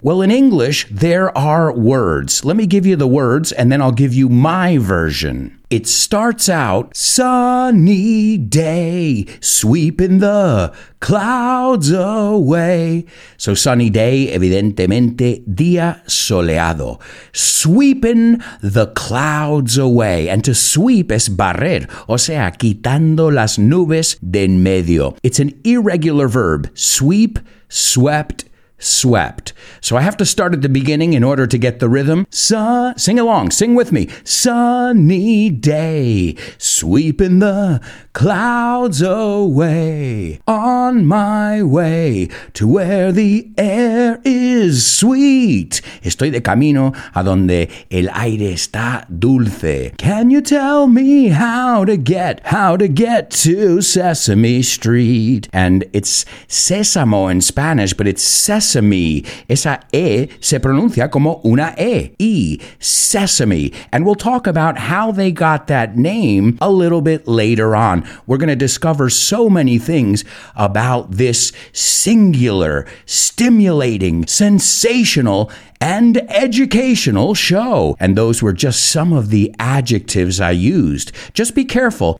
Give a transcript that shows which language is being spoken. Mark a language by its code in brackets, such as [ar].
[en] Well, in English, there are words. Let me give you the words, and then I'll give you my version. It starts out, sunny day, sweeping the clouds away. So sunny day, [es] evidentemente, día soleado. [en] Sweeping the clouds away. And to sweep [es] es barrer, o sea, quitando las nubes de en medio. [en] It's an irregular verb, sweep, swept, swept. So I have to start at the beginning in order to get the rhythm. Sing along, sing with me. Sunny day, sweeping the clouds away, on my way to where the air is sweet. [es] Estoy de camino a donde el aire está dulce. [en] Can you tell me how to get to Sesame Street? And it's sésamo in Spanish, but it's sesame. [es] Esa E se pronuncia como una E. [en] E, sesame. And we'll talk about how they got that name a little bit later on. We're going to discover so many things about this singular, stimulating, sensational, and educational show. And those were just some of the adjectives I used. Just be careful.